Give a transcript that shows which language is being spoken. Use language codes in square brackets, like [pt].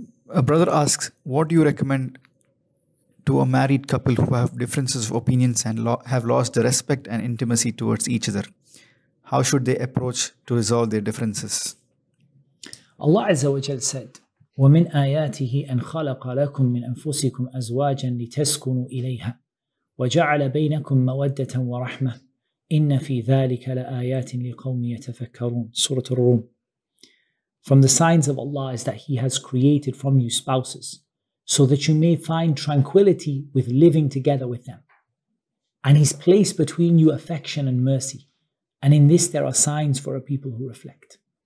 [en] A brother asks, what do you recommend to a married couple who have differences of opinions and have lost the respect and intimacy towards each other? How should they approach to resolve their differences? Allah Azza wa Jal said, [ar] ومن آياته أن خلق لكم من أنفسكم أزواجا لتسكنوا إليها وجعل بينكم مودة ورحمة إن في ذلك لآيات لقوم يتفكرون. سورة الروم. [en] From the signs of Allah is that He has created from you spouses so that you may find tranquility with living together with them. And He's placed between you affection and mercy. And in this there are signs for a people who reflect.